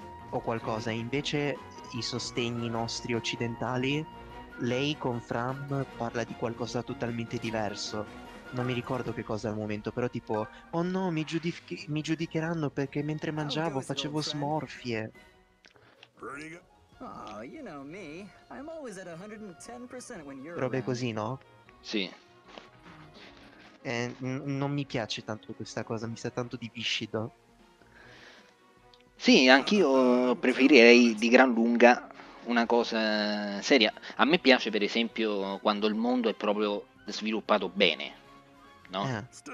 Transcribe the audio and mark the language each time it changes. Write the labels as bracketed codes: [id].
[it] O qualcosa. Invece i sostegni nostri occidentali, lei con Fram parla di qualcosa totalmente diverso. Non mi ricordo che cosa al momento, però tipo... Oh no, mi giudicheranno perché mentre mangiavo facevo smorfie. [en] Oh, you know me. I'm always at 110% when you're around. [it] Robe così, no? Sì. Non mi piace tanto questa cosa, mi sa tanto di viscido. Sì, anch'io preferirei di gran lunga una cosa seria. A me piace, per esempio, quando il mondo è proprio sviluppato bene, no?